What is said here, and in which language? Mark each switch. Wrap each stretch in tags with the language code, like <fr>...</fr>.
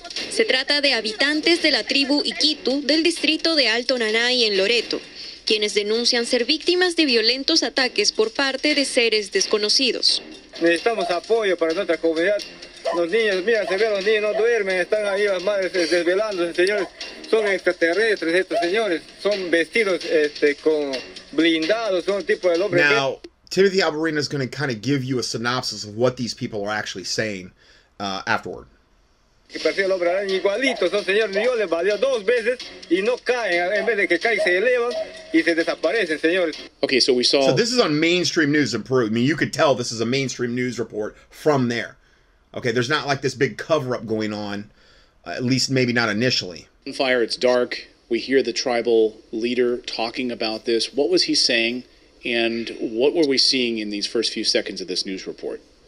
<es>Se trata de habitantes de la tribu Iquitu del distrito de Alto Nanay en Loreto, quienes denuncian ser víctimas de violentos ataques por parte de seres desconocidos. Necesitamos apoyo para nuestra comunidad. Los niños, mira, se ve, los niños no duermen, están ahí las madres desvelándose, señores. Son extraterrestres estos señores, son vestidos con blindados, son tipo de hombre.</es> <en>Now, Timothy Alberino is going to kind of give you a synopsis of what these people are actually saying afterward.</en> <es>Que parecía el hombre araña, igualito, son señores. Yo les baleo dos veces y no caen, en vez de que caen, se elevan y se desaparecen, señores.</es> <en>Okay, so we saw... So this is on mainstream news in Peru. I mean, you could tell this is a mainstream news report from there. Okay, there's not like this big cover-up going on, at least maybe not initially. Fire, it's dark. We hear the tribal leader talking about this. What was he saying, and what were we seeing in these first few seconds of this news report?</en>